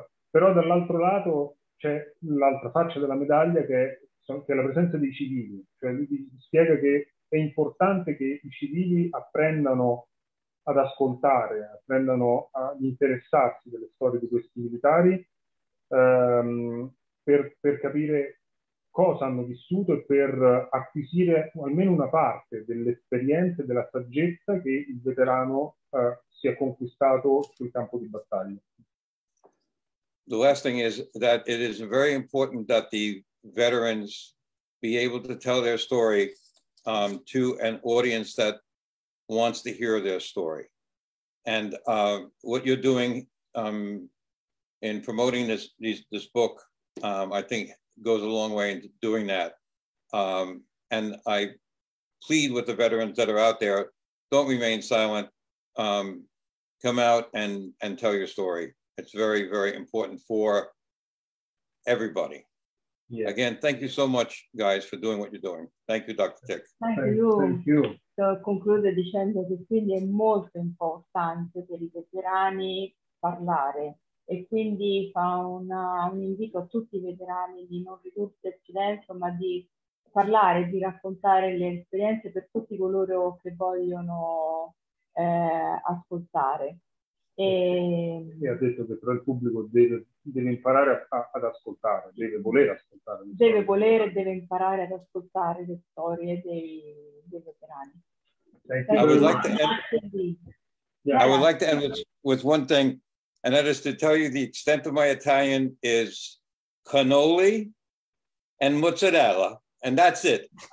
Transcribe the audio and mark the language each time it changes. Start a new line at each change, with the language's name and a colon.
Italian: Però dall'altro lato c'è l'altra faccia della medaglia, che è la presenza dei civili, cioè lui spiega che è importante che i civili apprendano ad ascoltare, apprendano ad interessarsi delle storie di questi militari per capire cosa hanno vissuto e per acquisire almeno una parte dell'esperienza e della saggezza che il veterano si è conquistato sul campo di battaglia.
English: The last thing is that it is very important that the veterans be able to tell their story to an audience that wants to hear their story. And what you're doing in promoting this book, I think goes a long way into doing that. And I plead with the veterans that are out there, don't remain silent. Come out and tell your story. It's very, very important for everybody. Yes. Again, thank you so much, guys, for doing what you're doing. Thank you, Dr. Tick. Thank you.
Italian: So, conclude dicendo che quindi è molto importante per i veterani parlare. E quindi fa un invito a tutti i veterani di non ridurre il silenzio, ma di parlare, di raccontare le esperienze per tutti coloro che vogliono ascoltare. E ha detto che però il pubblico deve imparare ad ascoltare, deve volere ascoltare. Deve volere e deve imparare ad ascoltare le storie dei veterani.
English: I would like to end with one thing. And that is to tell you the extent of my Italian is cannoli and mozzarella, and that's it.